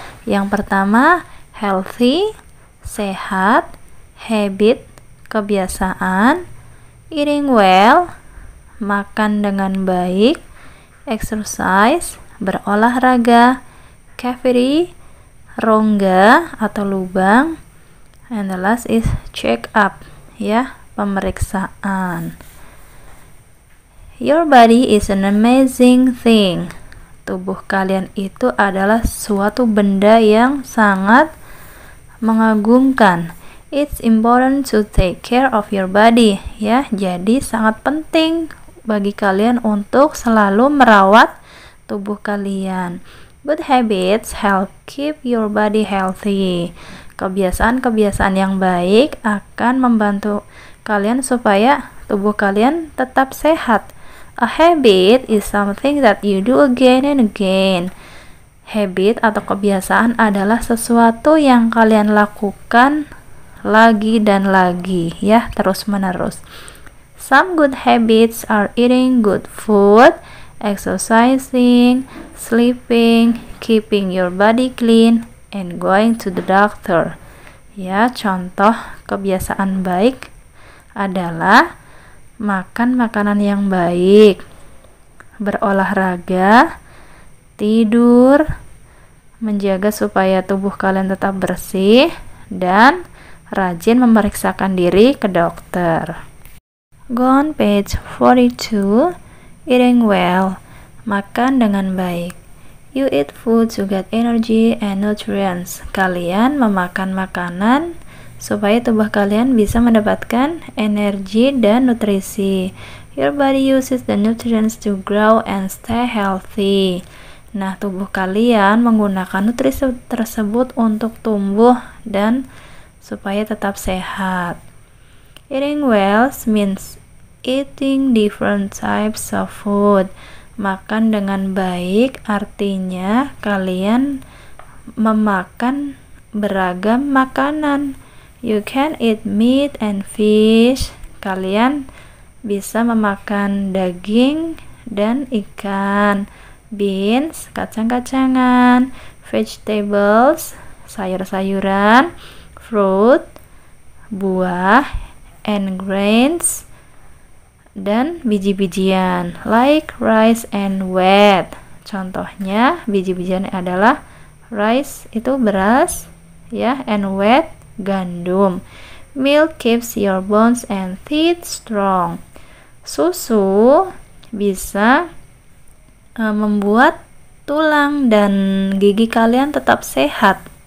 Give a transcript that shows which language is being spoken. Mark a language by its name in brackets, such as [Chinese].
[Indonesian] Yang pertama, healthy, sehat, habit, kebiasaan, eating well, makan dengan baik, exercise, berolahraga, cavity, rongga atau lubang, [English] and the last is check up, [Indonesian] ya, pemeriksaan. [English] Your body is an amazing thing. [Indonesian] Tubuh kalian itu adalah suatu benda yang sangat mengagumkan. [English] It's important to take care of your body, ya. [Indonesian] Jadi sangat penting bagi kalian untuk selalu merawat tubuh kalian. [English] Good habits help keep your body healthy. [Indonesian] Kebiasaan-kebiasaan yang baik akan membantu kalian supaya tubuh kalian tetap sehat. [English] A habit is something that you do again and again. [Indonesian] Habit atau kebiasaan adalah sesuatu yang kalian lakukan lagi dan lagi, ya, terus-menerus. [English] Some good habits are eating good food, exercising, sleeping, keeping your body clean, and going to the doctor. [Indonesian] Ya, contoh kebiasaan baik adalah makan makanan yang baik, berolahraga, tidur, menjaga supaya tubuh kalian tetap bersih, dan rajin memeriksakan diri ke dokter. [English] Go on page 42, eating well, [Indonesian] makan dengan baik. [English] You eat food to get energy and nutrients. [Indonesian] Kalian memakan makanan supaya tubuh kalian bisa mendapatkan energi dan nutrisi. [English] Your body uses the nutrients to grow and stay healthy. [Indonesian] Nah, tubuh kalian menggunakan nutrisi tersebut untuk tumbuh dan supaya tetap sehat. [English] Eating well means eating different types of food. [Indonesian] Makan dengan baik artinya kalian memakan beragam makanan. [English] You can eat meat and fish. [Indonesian] Kalian bisa memakan daging dan ikan, [English] beans, kacang-kacangan, vegetables, sayur-sayuran, fruit, buah, and grains, dan biji-bijian, like rice and wheat. [Indonesian] Contohnya, biji-bijian adalah rice, itu beras, ya, and wheat, gandum. [English] Milk keeps your bones and teeth strong. [Indonesian] Susu bisa membuat tulang dan gigi kalian tetap sehat.